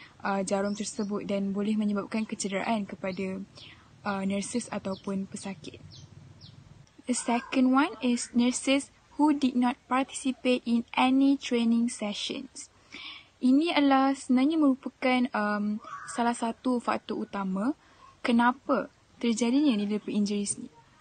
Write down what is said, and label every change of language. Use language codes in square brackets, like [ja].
[ms] jarum tersebut dan boleh menyebabkan kecederaan kepada nurses ataupun pesakit. [en] The second one is nurses who did not participate in any training sessions. [ms] Ini adalah sebenarnya merupakan salah satu faktor utama kenapa terjadinya needlepoint injuries ni.